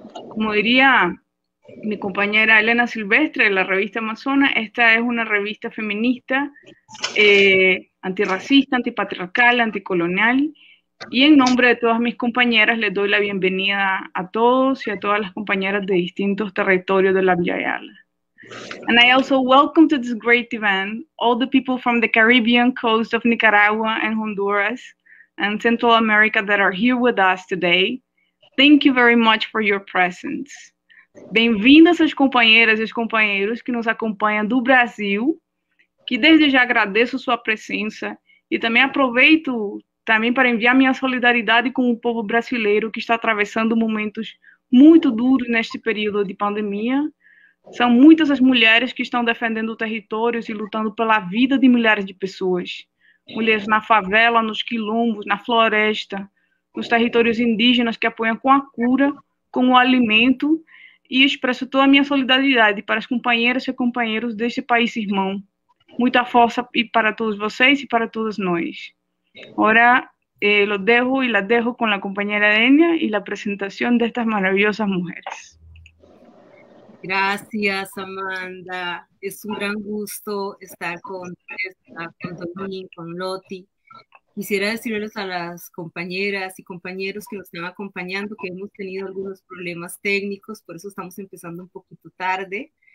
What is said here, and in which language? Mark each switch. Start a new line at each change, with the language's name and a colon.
Spanish: Como diría mi compañera Elena Silvestre de la revista Amazona, esta es una revista feminista, antirracista, antipatriarcal, anticolonial. Y en nombre de todas mis compañeras, les doy la bienvenida a todos y a todas las compañeras de distintos territorios de la Vía Yala.
English: And I also welcome to this great event all the people from the Caribbean coast of Nicaragua and Honduras and Central America that are here with us today. Thank you very much for your presence.
Portuguese: Bem-vindas as compañeras e os companheiros que nos acompanham do Brasil, que desde já agradeço sua presença e também aproveito também para enviar minha solidariedade com o povo brasileiro que está atravessando momentos muito duros neste período de pandemia. São muitas as mulheres que estão defendendo territórios e lutando pela vida de milhares de pessoas. Mulheres na favela, nos quilombos, na floresta, nos territórios indígenas que apoiam com a cura, com o alimento. E expresso toda a minha solidariedade para as companheiras e companheiros deste país irmão. Muita força e para todos vocês e para todas nós.
Spanish: Ahora los dejo y las dejo con la compañera Denia y la presentación de estas maravillosas mujeres. Gracias, Amanda. Es un gran gusto estar con Domín, con Loti. Quisiera decirles a las compañeras y compañeros que nos están acompañando que hemos tenido algunos problemas técnicos, por eso estamos empezando un poquito tarde.